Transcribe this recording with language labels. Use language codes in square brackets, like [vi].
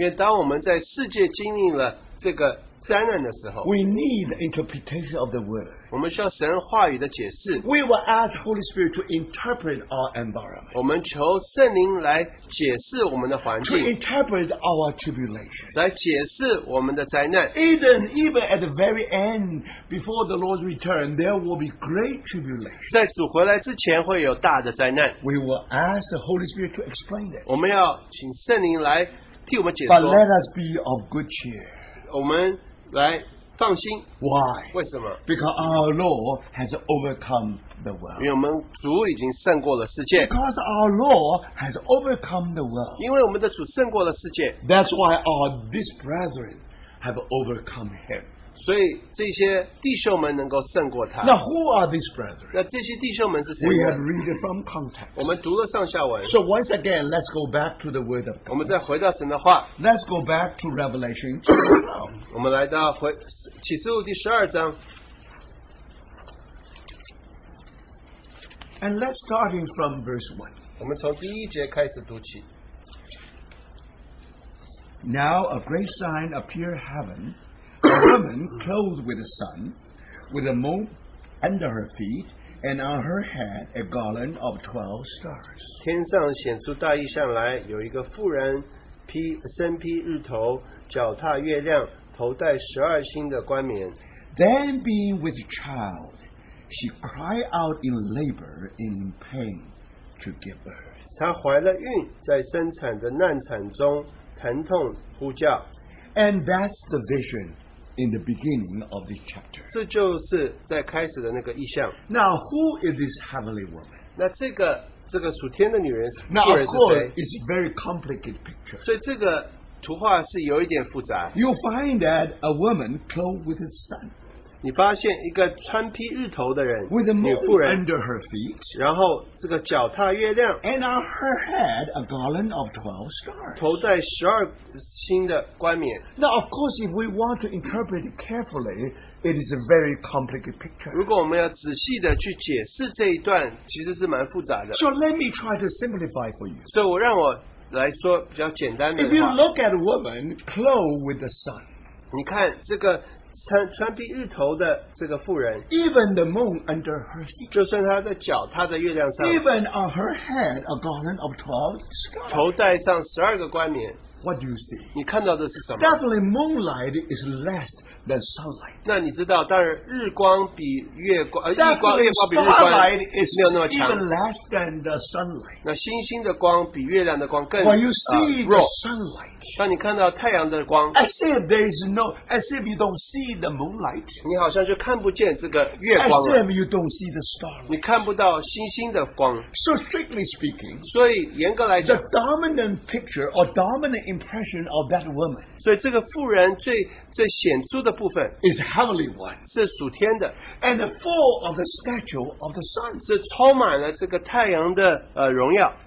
[zh] 因为当我们在世界经历了这个灾难的时候, [en] we need the interpretation of the word. [zh] 我们需要神话语的解释。 [en] We will ask Holy Spirit to interpret our environment. [zh] 我们求圣灵来解释我们的环境。 [en] To interpret our tribulation. [zh] 来解释我们的灾难。 [en] Even at the very end, before the Lord's return, there will be great tribulation. [zh] 在主回来之前会有大的灾难。 [en] We will ask the Holy Spirit to explain it. [zh] 我们要请圣灵来替我们解说。 [en] But let us be of good cheer. [zh] 我们来放心。 [en] Why? [zh] 为什么? [en] Because our Lord has overcome the world. [zh] 因为我们主已经胜过了世界。 [en] Because our Lord has overcome the world. [zh] 因为我们的主胜过了世界。 [en] That's why all these brethren have overcome him. [zh] 所以这些弟兄们能够胜过他。 [en] Now who are these brethren? [zh] 那这些弟兄们是谁? [en] We have read it from context. [zh] 我们读了上下文。 [en] So once again, let's go back to the word of God. [zh] 我们再回到神的话。 [en] Let's go back to Revelation [zh] 我们来到启示录第十二章。 [en] And let's start from verse 1. [zh] 我们从第一节开始读起。 [en] Now a great sign appeared in heaven, a woman clothed with the sun, with a moon under her feet, and on her head a garland of 12 stars. [zh] 天上显出大异象来，有一个妇人身披日头，脚踏月亮，头戴十二星的冠冕。 [en] Then being with child, she cried out in labor in pain to give birth. [zh] 她怀了孕，在生产的难产中疼痛呼叫。 [en] And that's the vision in the beginning of this chapter. [zh] 这就是在开始的那个意象。 [en] Now who is this heavenly woman? [zh] 那这个属天的女人是谁？ [en] Now of course, it's a very complicated picture. [zh] 所以这个图画是有一点复杂。 [en] You find that a woman clothed with the sun. [zh] 你发现一个穿披日头的人, [en] with a moon under her feet. [zh] 然后这个脚踏月亮, [en] and on her head a garland of 12 stars. [zh] 头戴十二星的冠冕。 [en] Now of course, if we want to interpret it carefully, it is a very complicated picture. [zh] 如果我们要仔细的去解释这一段，其实是蛮复杂的。 [en] So let me try to simplify for you. [zh] 所以我让我来说比较简单的话。 [en] If you look at a woman clothed with the sun, [zh] 你看这个穿披日头的这个妇人。 [en] Even the moon under her feet, [zh] 就算她的脚踏在月亮上。 [en] Even on her head a garland of 12 stars, [zh] 头戴上十二个冠冕。 [en] What do you see? [zh] 你看到的是什么？ [en] Definitely moonlight is less than sunlight. [zh] 那你知道，当然日光比月光， [en] Definitely [zh] 日光比日光没有那么强。 [en] Even less than the sunlight. [zh] 那星星的光比月亮的光更弱。 [en] When you see the sunlight, [zh] 当你看到太阳的光 [en] ，as if there is no, as if you don't see the moonlight. [zh] 你好像就看不见这个月光了。 [en] As if you don't see the starlight. [zh] 你看不到星星的光。 [en] So strictly speaking, [zh] 所以严格来讲 [en] ，the dominant picture or dominant impression of that woman. [zh] 所以这个妇人最显著的部分 [en] is heavenly one, [zh] 是属天的 [en] and full of the stature of the sun, [zh] 是充满了这个太阳的荣耀。